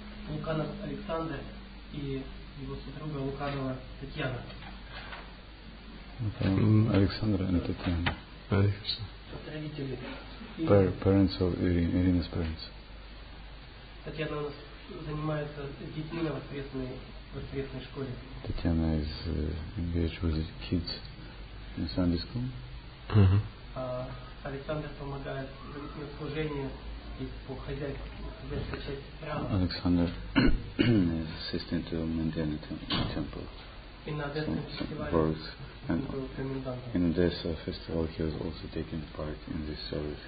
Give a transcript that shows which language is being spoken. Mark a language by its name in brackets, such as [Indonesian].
[Russian] Луканов Александр и его супруга Луканова Татьяна. Александр и Татьяна. Родители. [English] Parents of Irina's parents. [Russian] Татьяна у нас занимается детьми в ответственной школе. [English] Татьяна is engaged with the kids in Sunday school. [Russian] Александр помогает в служении и по хозяйской части храма. [English] Александр is assisting to maintain the temple. In Odessa festival, he was also taking part in this service.